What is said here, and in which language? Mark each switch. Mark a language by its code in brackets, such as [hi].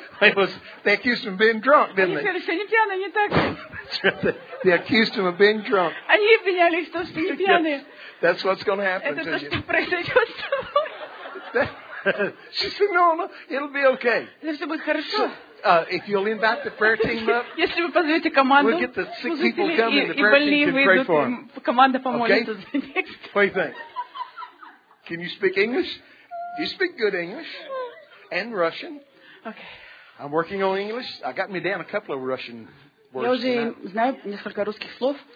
[en] It was, they accused him of being drunk, didn't they? [ru] Они сказали, что они пьяные, не так. [en] They accused him of being drunk. [ru] Они обвиняли, что они пьяные. [en] That's what's going to happen [ru] это [en] to you. [ru] Это то, что произойдет с тобой. [en] She said, no, it'll be okay. [ru] Это все будет хорошо. [en] So, if you'll invite the prayer team up, [ru] если вы позовете команду, [en] we'll get the sick people coming, the prayer team can pray for them. [ru] Команда помолится за них. [en] What do you think? Can you speak English? Do you speak good English and Russian? Okay. I'm working on English. I got me down a couple of Russian words. [ru] Я уже знаю несколько русских слов.